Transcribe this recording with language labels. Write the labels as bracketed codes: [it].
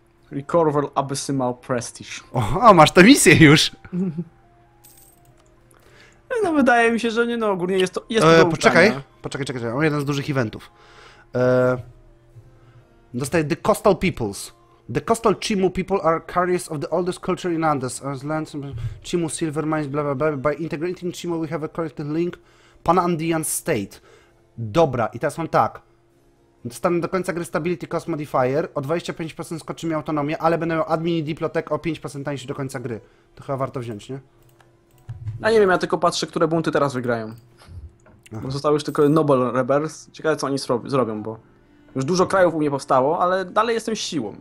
[en] Recover Abysmal Prestige. [pl] O, masz tę misję już! No, wydaje mi się, że nie, no, ogólnie jest to. Jest poczekaj, mam jeden z dużych eventów. Dostaję The Coastal Peoples. [en] The Coastal Chimu people are carriers of the oldest culture in Andes. As lands, Chimu silver mines, bla bla bla. By integrating Chimu, we have a connected link. [pl] Panandian State. Dobra, i teraz mam tak. Dostanę do końca gry Stability Cost Modifier, o 25% skoczy mi autonomię, ale będę miał admin i diplotek o 5% tańszy do końca gry. To chyba warto wziąć, nie? Ja nie wiem, ja tylko patrzę, które bunty teraz wygrają. Aha. Bo zostały już tylko Noble Rebels. Ciekawe, co oni zrobią, bo już dużo krajów u mnie powstało, ale dalej jestem siłą.